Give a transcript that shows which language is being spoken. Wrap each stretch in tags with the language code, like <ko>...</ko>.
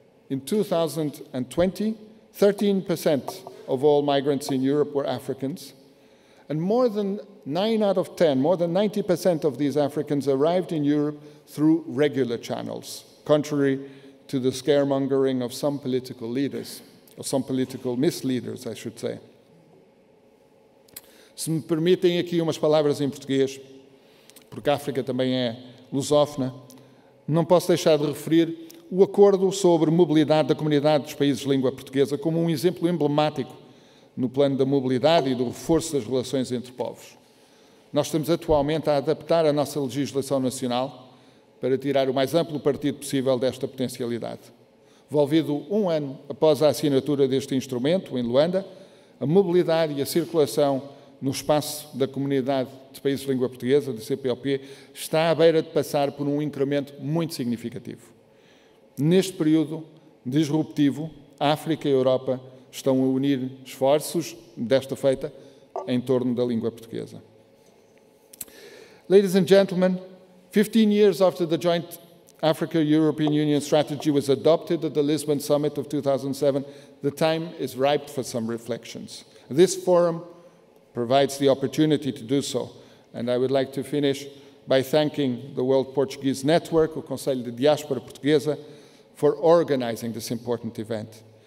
<en>In 2020, 13% of all migrants in Europe were Africans, and more than 9 out of 10, more than 90% of these Africans arrived in Europe through regular channels, contrary to the scaremongering of some political leaders, or some political misleaders, I should say.</en> <pt>Se me permitem aqui umas palavras em português, porque a África também é lusófona, não posso deixar de referir o acordo sobre mobilidade da comunidade dos países de língua portuguesa como um exemplo emblemático no plano da mobilidade e do reforço das relações entre povos. Nós estamos atualmente a adaptar a nossa legislação nacional para tirar o mais amplo partido possível desta potencialidade. Volvido um ano após a assinatura deste instrumento, em Luanda, a mobilidade e a circulação no espaço da comunidade de países de língua portuguesa, da CPLP, está à beira de passar por um incremento muito significativo. Neste período disruptivo, a África e a Europa estão a unir esforços desta feita em torno da língua portuguesa.</pt> <en>Ladies and gentlemen, 15 years after the joint Africa-European Union strategy was adopted at the Lisbon summit of 2007, the time is ripe for some reflections. This forum provides the opportunity to do so, and I would like to finish by thanking the World Portuguese Network, o Conselho de Diáspora Portuguesa, for organizing this important event.</en>